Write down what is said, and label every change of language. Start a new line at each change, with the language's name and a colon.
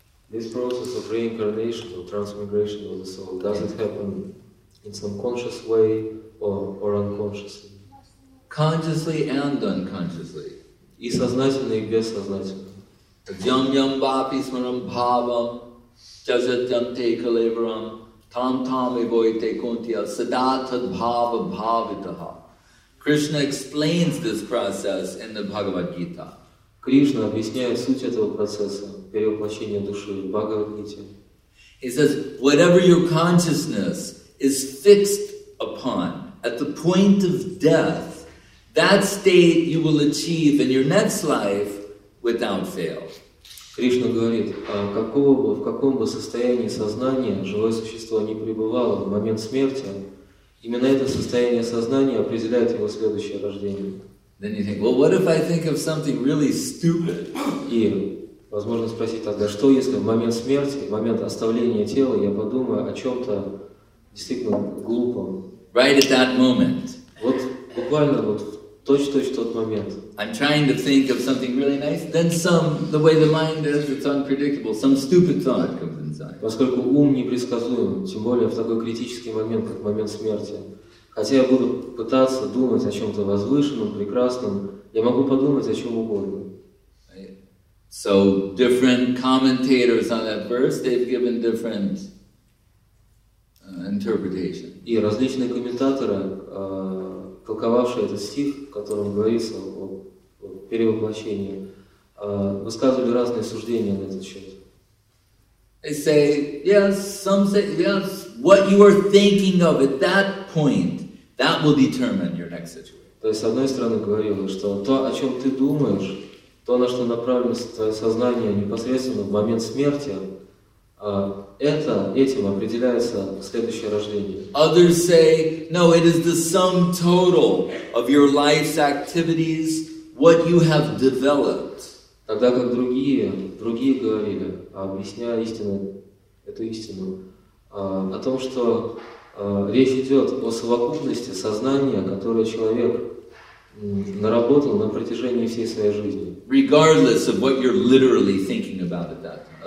English: This process of reincarnation or transmigration of the soul, does it happen in some conscious way or unconsciously? Consciously and unconsciously.
Russian: И сознательно, и бессознательно.
Sanskrit: Дьям-дьям бапи-смарам бхавам, чажат-дьям тейкалеврам, там-там ивойте кунтия, садатат бхава бхавитаха.
English: Krishna explains this process in the Bhagavad Gita.
Russian: Кришна объясняет суть этого процесса перевоплощения души в Бхагавад-гите.
English: He says, whatever your consciousness is fixed upon at the point of death, that state you will achieve in your next life without fail.
Russian: Кришна говорит, в каком бы состоянии сознания живое существо не пребывало в момент смерти, именно это состояние сознания определяет его следующее рождение.
English: Then you think, well, what if I think of something really stupid?
Russian: И возможно спросить тогда, что если в момент смерти, в момент оставления тела, я подумаю о чем-то действительно глупом?
English: Right at that moment.
Russian: Вот буквально вот точь-точь тот момент.
English: I'm trying to think of something really nice. Then some, the way the mind is, it's unpredictable. Some stupid thought comes inside.
Russian: Поскольку ум непредсказуем, тем более в такой критический момент, как момент смерти. Хотя я буду пытаться думать о чем-то возвышенном, прекрасном, я могу подумать о чем угодно.
English: So different commentators on that verse, they've given different interpretation.
Russian: И различные комментаторы, толковавшие этот стих, в котором говорится о перевоплощении, высказывали разные суждения на этот счет.
English: They say, yes, some say, yes, what you are thinking of at that point, that will determine your next situation.
Russian: То есть, с одной стороны, говорилось, что то, о чем ты думаешь, то, на что направлено твое сознание непосредственно в момент смерти, этим определяется следующее рождение.
English: Others say, no, it is the sum total of your life's activities, what you have developed.
Russian: Тогда как другие говорили, объясняя истину, эту истину, о том, что речь идет о совокупности сознания, которое человек наработал на протяжении всей своей жизни.
English: Regardless of what you're literally thinking about it, that.